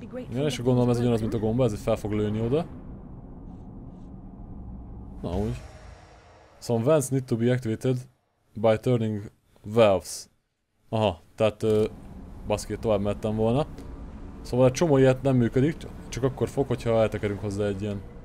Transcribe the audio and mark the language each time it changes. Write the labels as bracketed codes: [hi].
[hu] Igen, és gondolom ez ugyanaz, mint a gomba, ez fel fog lőni oda. Na úgy. [en] Some vents need to be activated by turning valves. [hu] Aha, tehát baszki, tovább mehettem volna. Szóval egy csomó ilyet nem működik, csak akkor fog, hogyha eltekerünk hozzá egy ilyen...